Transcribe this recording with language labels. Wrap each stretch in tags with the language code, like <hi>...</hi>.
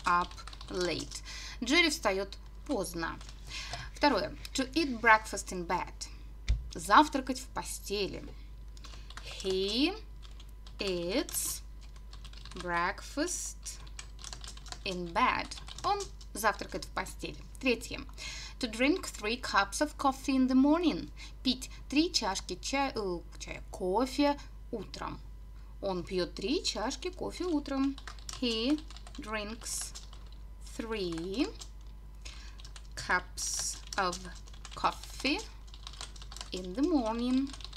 <en>Up late.</en> <ru>Джерри встает поздно. Второе.</ru> <en>To eat breakfast in bed.</en> <ru>Завтракать в постели.</ru> <en>He eats breakfast in bed.</en> <ru>Он завтракает в постели. Третье.</ru> <en>To drink three cups of coffee in the morning.</en> <ru>Пить три чашки чая, кофе утром. Он пьет три чашки кофе утром.</ru> <en>He drinks three cups of coffee in the morning.</en>